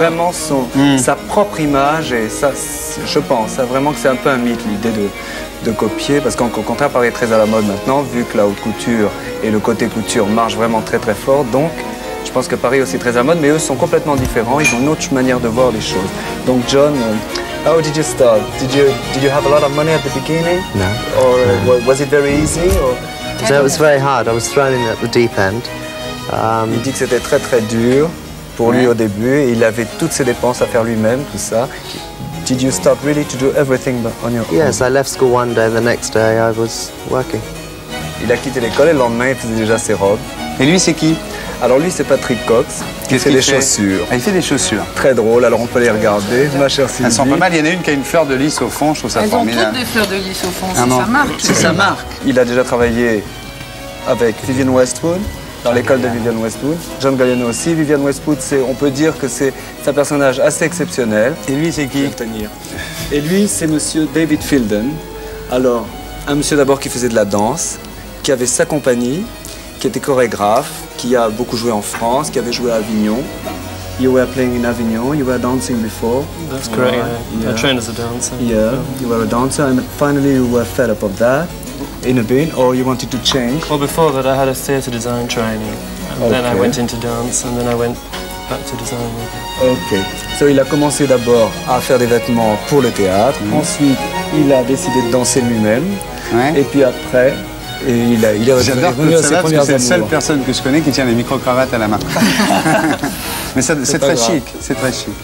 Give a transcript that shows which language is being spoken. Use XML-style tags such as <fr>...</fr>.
<fr>vraiment sa propre image, et ça, je pense vraiment que c'est un peu un mythe, l'idée de copier, parce qu'au contraire, Paris est très à la mode maintenant, vu que la haute couture et le côté couture marchent vraiment très très fort, donc je pense que Paris est aussi très à la mode, mais eux sont complètement différents, ils ont une autre manière de voir les choses.</fr> <en>Donc John, how did you start? Did you have a lot of money at the beginning? No. Or was it very easy? Or... So it was very hard, I was thrown in at the deep end.</en> <fr>Il dit que c'était très très dur pour lui au début et il avait toutes ses dépenses à faire lui-même, tout ça.</fr> <en>Did you start really to do everything on your own? Yes, I left school one day, the next day I was working.</en> <fr>Il a quitté l'école et le lendemain il faisait déjà ses robes. Et lui c'est qui? Alors lui c'est Patrick Cox, il fait des chaussures. Ah, il fait des chaussures. Très drôle, alors on peut les regarder, ma chère Sylvie. Elles sont pas mal, il y en a une qui a une fleur de lys au fond, je trouve ça formidable. Elles ont toutes des fleurs de lys au fond, c'est sa marque. C'est sa marque. Il a déjà travaillé avec Vivienne Westwood. Dans l'école de Vivienne Westwood. John Galliano aussi. Vivienne Westwood, on peut dire que c'est un personnage assez exceptionnel. Et lui, c'est qui? Et lui, c'est monsieur David Filden. Alors, un monsieur d'abord qui faisait de la danse, qui avait sa compagnie, qui était chorégraphe, qui a beaucoup joué en France, qui avait joué à Avignon.</fr> <en>You were playing in Avignon, you were dancing before. That's great. Yeah. I trained as a dancer. Yeah, you were a dancer and finally you were fed up of that. In a bin, or you wanted to change? Well, before that, I had a theatre design training. And then I went into dance, and then I went back to design. Okay.</en> <fr>So, il a commencé d'abord à faire des vêtements pour le théâtre. Mm. Ensuite, il a décidé de danser lui-même. Ouais. Et puis après, et il a revenu à ses premières amours. J'adore que c'est la seule personne que je connais qui tient les micro-cravates à la main. Mais c'est très chic. C'est très chic.</fr>